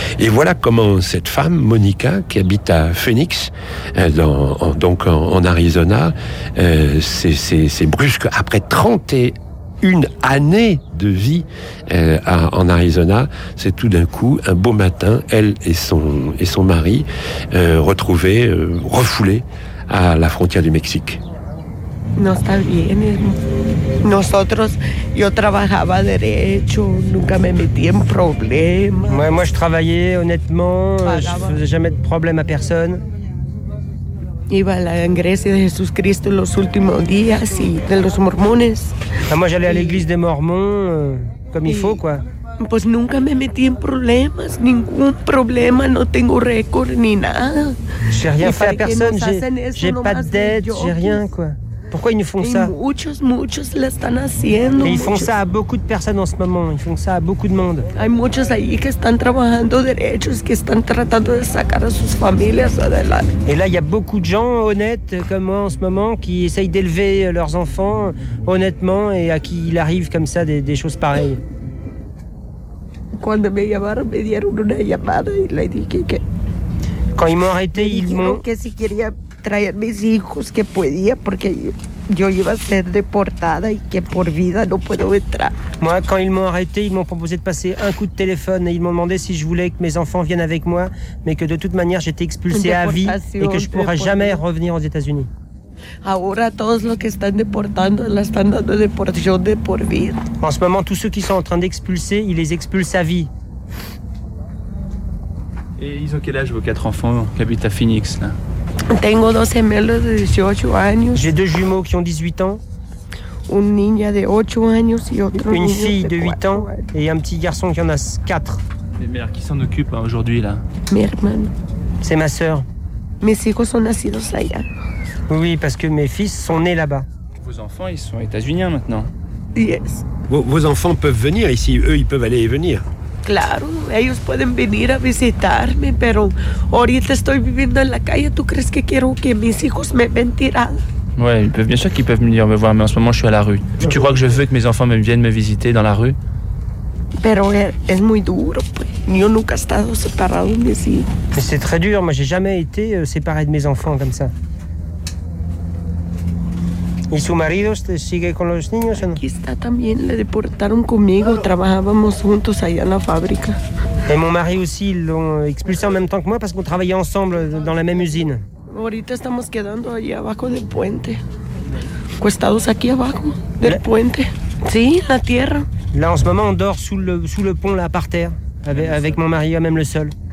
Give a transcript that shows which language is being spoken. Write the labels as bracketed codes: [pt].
[fr] Et voilà comment cette femme, Monica, qui habite à Phoenix, en Arizona, c'est brusque, après 31 années de vie en Arizona, c'est tout d'un coup, un beau matin, elle et son mari retrouvés, refoulés à la frontière du Mexique. [es] No está bien. Nosotros, yo trabajaba derecho, nunca me metí en problemas. [fr] Moi, je travaillais honnêtement, je faisais jamais de problème à personne. [es] Iba a la iglesia de Jesucristo los últimos días y de los mormones. [fr] Ah, moi j'allais à l'église des mormons comme il faut, quoi. [es] Pues nunca me metí en problemas, ningún problema, no tengo récord ni nada. [fr] J'ai rien fait à personne, j'ai pas de dette, j'ai rien, quoi. Pourquoi ils nous font ça? [es] Muchos la están haciendo. [fr] Et ils font ça à beaucoup de personnes en ce moment, ils font ça à beaucoup de monde. [es] Hay muchos ahí que están trabajando derechos, que están tratando de sacar a sus familias adelante. [fr] Et là, il y a beaucoup de gens honnêtes comme moi en ce moment qui essayent d'élever leurs enfants honnêtement et à qui il arrive comme ça des choses pareilles. [es] Cuando me llamaron, me dieron una llamada y le dije que... [fr] Quand ils m'ont arrêté, ils m'ont... [es] Que si quería... traer mis hijos que podía porque yo iba a ser deportada y que por vida no puedo entrar. [fr] Moi, quand ils m'ont arrêté, ils m'ont proposé de passer un coup de téléphone et ils m'ont demandé si je voulais que mes enfants viennent avec moi, mais que de toute manière j'étais expulsée à vie et que je pourrais jamais revenir aux États-Unis. [es] Ahora todos los que están deportando la están dando deportación de por vida. [fr] En ce moment, tous ceux qui sont en train d'expulser, ils les expulsent à vie. Et ils ont quel âge vos quatre enfants qui habitent à Phoenix là? [es] Tengo dos gemelos de 18 años. [fr] J'ai deux jumeaux qui ont 18 ans. [es] Un niña de 8 años y otro [fr] Une fille de 8 ans et un petit garçon qui en a 4. Les mères qui s'en occupent aujourd'hui là. [es] Mi hermano. [fr] C'est ma sœur. [es] Mis hijos son nacidos allá. [fr] Oui, parce que mes fils sont nés là-bas. Vos enfants, ils sont états-uniens maintenant. [en] Yes. [fr] Vos enfants peuvent venir ici, eux ils peuvent aller et venir. [es] Claro, ellos pueden venir a visitarme, pero ahorita estoy viviendo en la calle. ¿Tú crees que quiero que mis hijos me ven tirado? [fr] Ouais, ils peuvent, bien sûr qu'ils peuvent venir me voir, mais en ce moment je suis à la rue. Tu crois que je veux que mes enfants viennent me visiter dans la rue? [es] Pero es muy duro, pues. Yo nunca he estado separado de mis hijos. [fr] Mais c'est très dur, moi j'ai jamais été séparé de mes enfants comme ça. [es] ¿Y su marido sigue con los niños o no? Aquí está también, le deportaron conmigo, trabajábamos juntos allá en la fábrica. [fr] Y mon mari aussi, ils l'ont expulsé en même temps que moi parce qu'on travaillait ensemble dans la même usine. [es] Ahorita estamos quedando allá abajo del puente. Cuestados aquí abajo del puente. Sí, la tierra. [fr] Là, en ce moment, on dort sous le pont, là, par terre, avec mon mari, à même le sol.